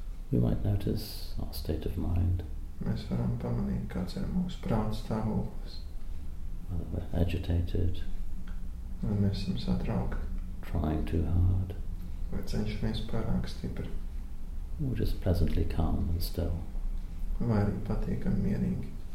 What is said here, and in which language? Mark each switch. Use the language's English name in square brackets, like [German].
[English] You might notice our state of mind. [Latvian] Mēs varam pamanīt, kāds ir mūsu prāta stāvoklis. [English] Whether we're agitated. [Latvian] Vai mēs esam satraukti. [English] Trying too hard. [Latvian] Vai cenšamies pārāk stipri. [English] Or just pleasantly calm and still. [Latvian] Vai arī patīkam mierīgi.